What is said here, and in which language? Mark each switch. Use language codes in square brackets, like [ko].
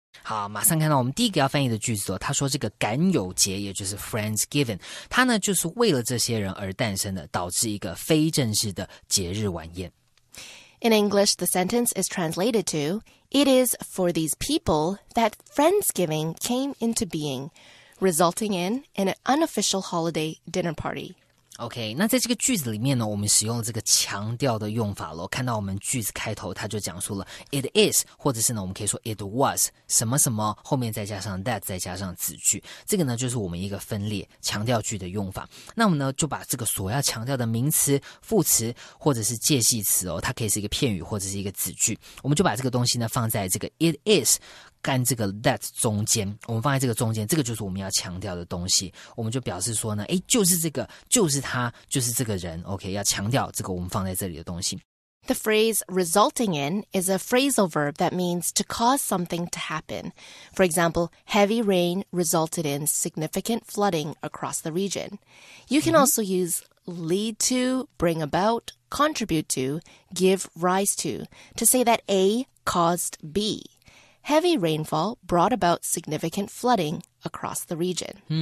[zh] 好马上看到我们第一个要翻译的句子哦他说这个感友节也就是 Friendsgiving, 他呢就是为了这些人而诞生的导致一个非正式的节日晚宴。 [en] In English, the sentence is translated to, It is for these people that Friendsgiving came into being, resulting in an unofficial holiday dinner party. [zh] OK, 那在这个句子里面呢我们使用了这个强调的用法咯看到我们句子开头它就讲述了 it is, 或者是呢我们可以说 it was, 什么什么后面再加上 that, 再加上子句。这个呢就是我们一个分裂强调句的用法。那我们呢就把这个所要强调的名词副词或者是介系词哦它可以是一个片语或者是一个子句。我们就把这个东西呢放在这个 it is,干这个 that 中间我们放在这个中间这个就是我们要强调的东西我们就表示说呢诶就是这个就是他就是这个人 OK 要强调这个我们放在这里的东西 [en] The phrase resulting in is a phrasal verb that means to cause something to happen For example, heavy rain resulted in significant flooding across the region You can also use lead to, bring about, contribute to, give rise to say that A caused BHeavy rainfall brought about significant flooding across the region.